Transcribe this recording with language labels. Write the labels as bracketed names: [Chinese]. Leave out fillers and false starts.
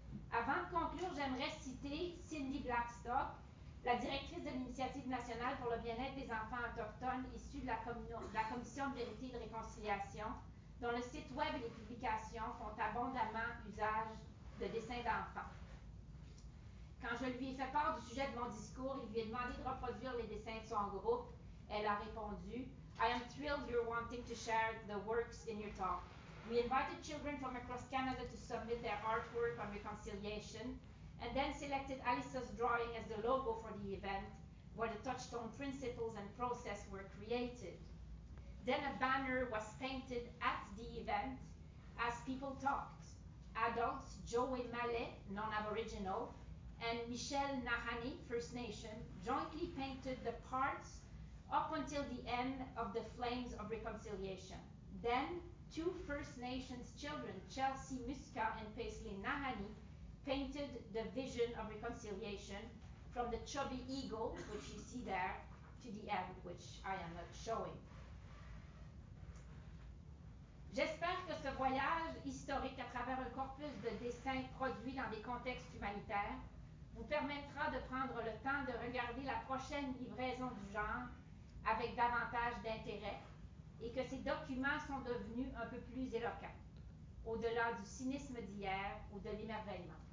[French] Avant de conclure, j'aimerais citer Cindy Blackstock, la directrice de l'Initiative nationale pour le bien-être des enfants autochtones issue de la Commission de vérité et de réconciliation, dont le site web et les publications font abondamment usage de dessins d'enfants. Quand je lui ai fait part du sujet de mon discours, il lui a demandé de reproduire les dessins de son groupe. Elle a répondu, [English] « I am thrilled you're wanting to share the works in your talk. We invited children from across Canada to submit their artwork on reconciliation, and then selected Alyssa's drawing as the logo for the event, where the touchstone principles and process were created. Then a banner was painted at the event as people talked. Adults Joey Mallet, non-Aboriginal, and Michelle Nahani, First Nation, jointly painted the parts up until the end of the Flames of Reconciliation. Then, two First Nations children, Chelsea Muska and Paisley Nahani, painted the vision of reconciliation from the chubby eagle, which you see there, to the end, which I am not showing. [French] J'espère que ce voyage historique à travers un corpus de dessins produits dans des contextes humanitaires vous permettra de prendre le temps de regarder la prochaine livraison du genre avec davantage d'intérêt et que ces documents sont devenus un peu plus éloquents, au-delà du cynisme d'hier ou de l'émerveillement.